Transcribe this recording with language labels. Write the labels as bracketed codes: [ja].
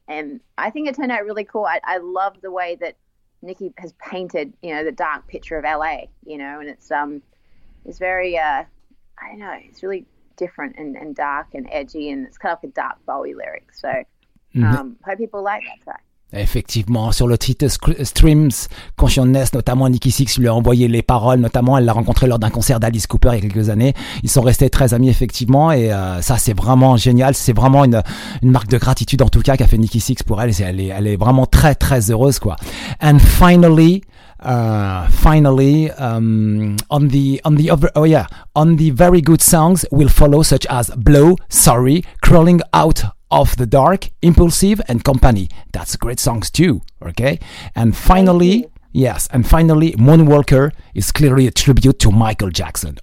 [en] And I think it turned out really cool. I love the way that Nikki has painted, you know, the dark picture of LA, you know, and it's very, I don't know, it's really different and dark and edgy, and it's kind of like a dark Bowie lyric, so hope people like that track. [fr] Effectivement, sur le titre Streams Consciousness, notamment Nikki Sixx lui a envoyé les paroles, notamment elle l'a rencontré lors d'un concert d'Alice Cooper il y a quelques années, ils sont restés très amis effectivement, et ça c'est vraiment génial, c'est vraiment une marque de gratitude en tout cas qu'a fait Nikki Sixx pour elle, elle est vraiment très très heureuse quoi. [en] And finally, on the very good songs will follow, such as Blow, Sorry, Crawling Out of the Dark, Impulsive, and Company. That's great songs too, okay? And finally, yes, and finally, Moonwalker is clearly a tribute to Michael Jackson.